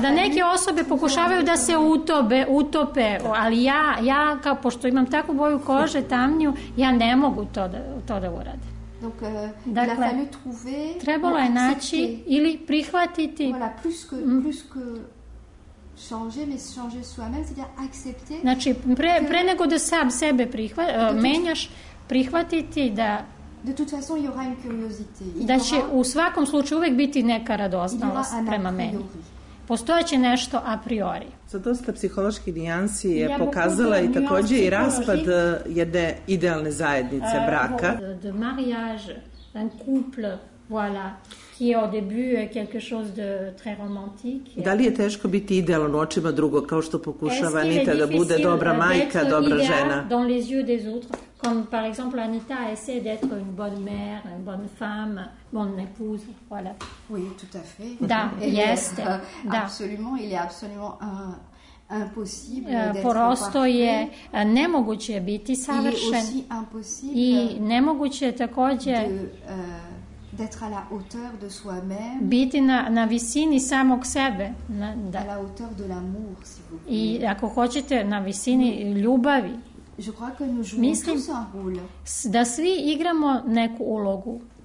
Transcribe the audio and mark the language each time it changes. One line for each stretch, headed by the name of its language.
Serbian: Da neke osobe pokušavaju da se utope, ali ja kao pošto imam takvu boju kože tamniju, ja ne mogu to da uradim.
French: Donc, dakle, il a fallu trouver,
Serbian: trebalo je naći ili prihvatiti.
French: Voilà, plus que changer, mais changer soi-même, c'est-à-dire accepter.
Serbian: Znači, pre nego da sam sebe menjaš, prihvatiti da...
French: De toute façon, il y aura une curiosité.
Serbian: Da će u svakom slučaju uvek biti neka radoznalost prema meni. Postojeće nešto a priori. Za dosta psiholoških nijansi je pokazala i takođe i raspad jedne idealne zajednice braka.
French: De mariage, un couple, voilà, qui est au début quelque chose de très romantique.
Serbian: Da li je teško biti idealan u očima drugog, kao što pokušava Anita da bude dobra majka, dobra žena?
French: Dans les yeux des autres, comme par exemple Anita essaie d'être une bonne mère, une bonne femme, bonne épouse, voilà. Oui, tout à fait.
Serbian: Da, jeste.
French: Absolument, il est absolument impossible
Serbian: porosto je nemoguće biti savršen i nemoguće je takođe
French: d'être à la hauteur de soi-même.
Serbian: Biti na visini samog sebe.
French: À la hauteur de l'amour, si vous voulez.
Serbian: I ako hoćete na visini ljubavi.
French: Je crois que nous jouons
Serbian: mislim
French: tous un rôle.
Serbian: Da svi igramo neku ulogu.